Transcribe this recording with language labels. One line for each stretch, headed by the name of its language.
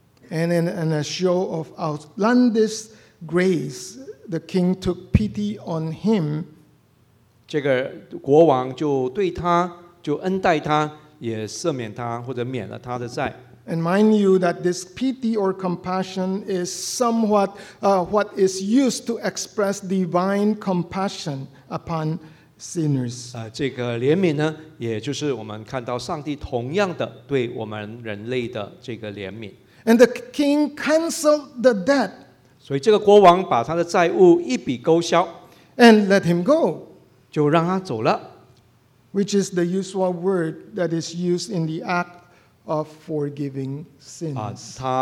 English: And in a show of outlandish grace, the king took pity on him.
Chinese: 这个国王就对他，就恩待他。也赦免他或者免了他的债。
English: And mind you that this pity or compassion is somewhat what is used to express divine compassion upon sinners.
Chinese: 这个怜悯呢，也就是我们看到上帝同样的对我们人类的这个怜悯。
English: And the king canceled the debt.
Chinese: 所以这个国王把他的债务一笔勾销。
English: And let him go.
Chinese: 就让他走了。
English: Which is the usual word that is used in the act of forgiving sins.